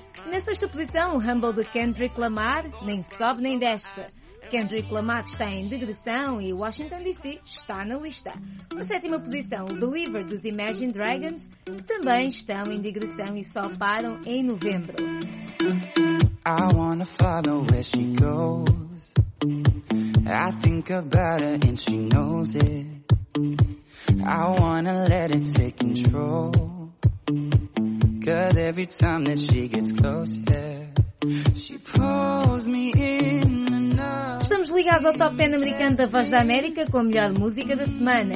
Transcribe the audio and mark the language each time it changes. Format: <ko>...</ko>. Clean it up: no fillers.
<pt>Na sexta posição, o Humble de Kendrick Lamar nem sobe nem desce. Kendrick Lamar está em degressão e Washington DC está na lista. Na sétima posição, Believer dos Imagine Dragons, que também estão em degressão e só param em novembro.</pt> <en>I wanna follow where she goes. I think about her and she knows it. I wanna let it take control. 'Cause every time that she gets closer, she pulls me in.</en> <pt>Estamos ligados ao Top 10 americano da Voz da América com a melhor música da semana.</pt>